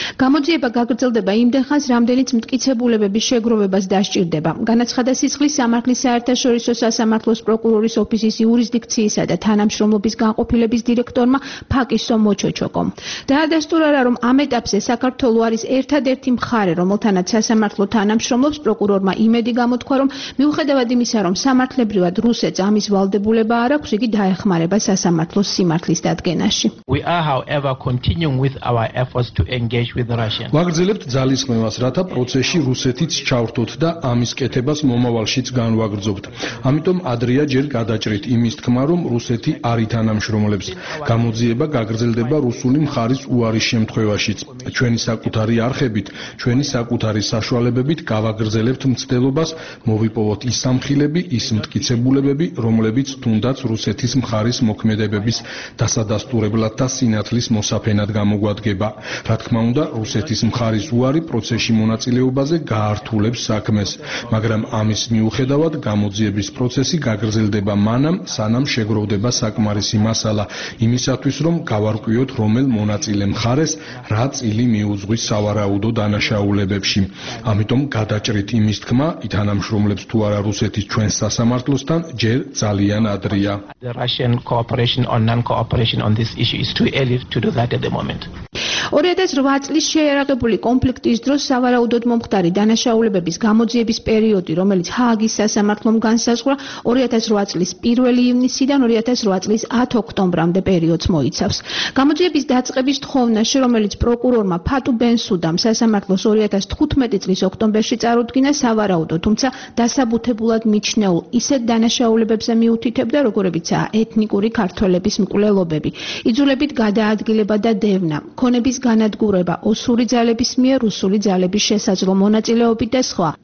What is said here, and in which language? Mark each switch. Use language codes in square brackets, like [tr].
[ka] გამოძიება გაგრძელდება იმდენ ხანს, რამდენიც მტკიცებულებების შეგროვებას დასჭირდება, განაცხადა სისხლის სამართლის საერთაშორისო სასამართლოს პროკურორის ოფისის იურისდიქციისა და თანამშრომლობის განყოფილების დირექტორმა ფაკისო მოჩოჩოკომ. დაადასტურა რა, რომ ამ ეტაპზე საქართველო არის ერთადერთი მხარე, რომელთანაც სასამართლო თანამშრომლობს. პროკურორმა იმედი გამოთქვა, რომ მიუხედავად იმისა, რომ სამართლებრივად რუსეთს ამის ვალდებულება არ აქვს, იგი დაეხმარება სასამართლოს სიმართლის დადგენაში. [en] However, continuing with our efforts to engage with Russia. [ka] ვაგრძელებთ ძალისხმევას, რათა პროცესში რუსეთიც ჩავრთოთ და ამის კეთებას მომავალშიც განვაგრძობთ. ამიტომ ადრია ჯერ გადაჭრით იმის თქმა, რომ რუსეთი არ ითანამშრომლებს. გამოძიება გაგრძელდება რუსული მხარის უარის შემთხვევაშიც. ჩვენი საკუთარი არხებით, ჩვენი საკუთარი საშუალებებით გავაგრძელებთ მცდელობას, მოვიპოვოთ ის სამხილები, ის მტკიცებულებები, რომლებიც თუნდაც რუსეთის მხარის მოქმედებების დასადასტურებლად და სინათლის მოსაფენად გამოგვადგება. რა თქმა უნდა, რუსეთის მხარის უარი პროცესში მონაწილეობაზე გაართულებს საქმეს, მაგრამ ამის მიუხედავად გამოძიების პროცესი გაგრძელდება მანამ, სანამ შეგროვდება საკმარისი მასალა იმისათვის, რომ გავარკვიოთ, რომელ მონაწილე მხარეს რა წილი მიუძღვის სავარაუდო დანაშაულებებში. ამიტომ გადაჭრით იმის თქმა, ითანამშრომლებს თუ არა რუსეთის ჩვენ სასამართლოსთან, ჯერ ძალიან ადრეა. [en] Is too early to do that at the moment. [ka] 2008 წლის შეერაღებული კონფლიქტის დროს სავარაუდოდ მომხდარი დანაშაულებების გამოძიების პერიოდი, რომელიც ჰააგის სასამართლომ განსაზღვრა, 2008 წლის 1 ივნისიდან 2008 წლის 10 ოქტომბრამდე პერიოდს მოიცავს. გამოძიების დაწყების თხოვნაში, რომელიც პროკურორმა ფატუ ბენსუდამ სასამართლოს 2015 წლის ოქტომბერში წარუდგინა, სავარაუდოდ, თუმცა დასაბუთებულად მიჩნეულ ისეთ დანაშაულებებზე მიუთითებდა, როგორებიცაა ეთნიკური ქართველების მკვლელობები, იძულებით გადაადგილება და დევნა, ქონების განადგურება, ოსური ძალების მიერ რუსული ძალების შესაძლო მონაწილეობით და სხვა.